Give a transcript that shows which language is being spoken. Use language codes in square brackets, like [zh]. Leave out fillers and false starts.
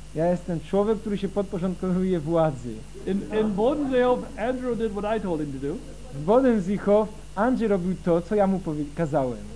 [pl] Ja jestem człowiek, który się podporządkowuje władzy. [en] In Bodensee-Hof, Andrew did what I told him to do. [pl] W Bodensee-Hof, Andrew robił to, co ja mu kazałem.